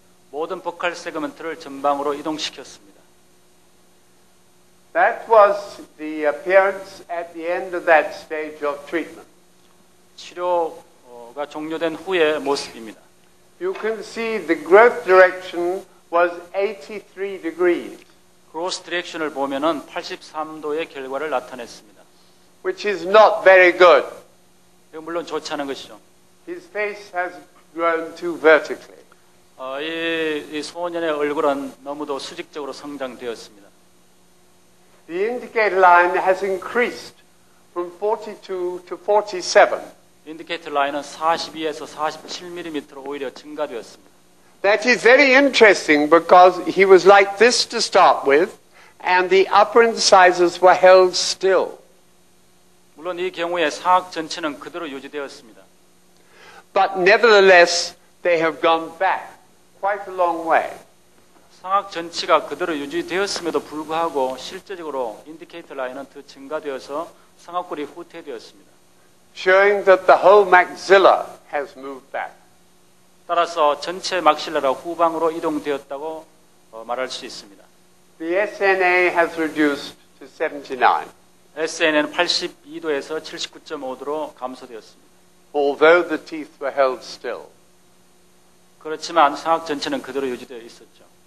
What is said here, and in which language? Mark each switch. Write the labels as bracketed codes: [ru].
[ko] 모든 복할 세그먼트를 전방으로 이동시켰습니다. [en] That was the appearance at the end of that stage of treatment. [ko] 치료가 종료된 후의 모습입니다. [en] You can see the growth direction was 83 degrees. [ko] Growth direction을 보면은 83도의 결과를 나타냈습니다. [en] Which is not very good. [ko] 물론 좋지 않은 것이죠. [en] His face has grown too vertically. [ko] 이 소년의 얼굴은 너무도 수직적으로 성장되었습니다. [en] The indicator line has increased from 42 to 47. [ko] Indicator line은 42에서 47mm로 오히려 증가되었습니다. [en] That is very interesting because he was like this to start with and the upper incisors were held still. [ko] 물론 이 경우에 상악 전체는 그대로 유지되었습니다. [en] But nevertheless, they have gone back quite a long way. [ko] 상악 전치가 그대로 유지되었음에도 불구하고 실제적으로 인디케이터 라인은 더 증가되어서 상악골이 후퇴되었습니다. [en] Showing that the whole maxilla has moved back. [ko] 따라서 전체 막실라가 후방으로 이동되었다고 말할 수 있습니다. [en] The SNA has reduced to 79. [ko] SNA는 82도에서 79.5도로 감소되었습니다. [en] Although the teeth were held still. [ko] 그렇지만 상악 전치는 그대로 유지되어 있었죠.